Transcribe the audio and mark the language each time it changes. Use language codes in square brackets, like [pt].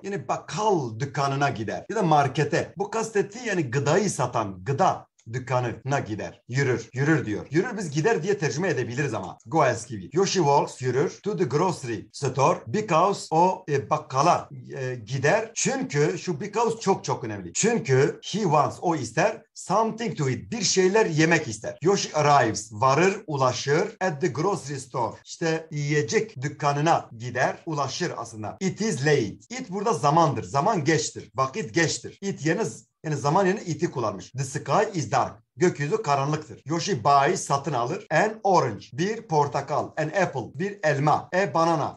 [tr] Yani bakkal dükkanına gider. Ya da markete. Bu kastettiği yani gıdayı satan, gıda dükkanına gider. Yürür. Yürür diyor. Yürür biz gider diye tercüme edebiliriz ama. [en] Go as [tr] gibi. [en] Yoshi walks, [tr] yürür [en] to the grocery store because [tr] o bakkala gider. Çünkü şu [en] because [tr] çok çok önemli. Çünkü [en] he wants, [tr] o ister [en] something to eat. [tr] Bir şeyler yemek ister. [en] Yoshi arrives. [tr] Varır, ulaşır [en] at the grocery store. [tr] İşte yiyecek dükkanına gider. Ulaşır aslında. [en] It is late. It [tr] burada zamandır. Zaman geçtir. Vakit geçtir. It yeriniz. Yani zaman yerine it'i kullanmış. [en] The sky is dark. [tr] Gökyüzü karanlıktır. [en] Yoshi buys, [tr] satın alır. [en] An orange. [tr] Bir portakal. [en] An apple. [tr] Bir elma. [en] A banana.